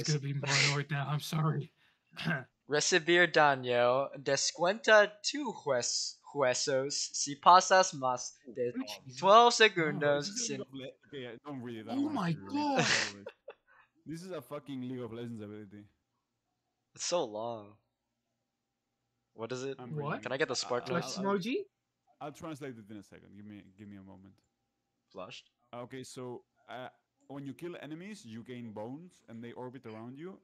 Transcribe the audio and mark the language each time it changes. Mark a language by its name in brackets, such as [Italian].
[English] I'm going to be paranoid now, I'm sorry. [Spanish] Recibir daño, descuenta tu huesos si pasas más de 12 segundos sin... [English] Don't read that. Oh my god! This is a fucking League of Legends ability. It's so long. What is it? What? Can I get the sparkler? Emoji? I'll translate it in a second. Give me a moment. Flushed? Okay, so... when you kill enemies, you gain bones, and they orbit around you.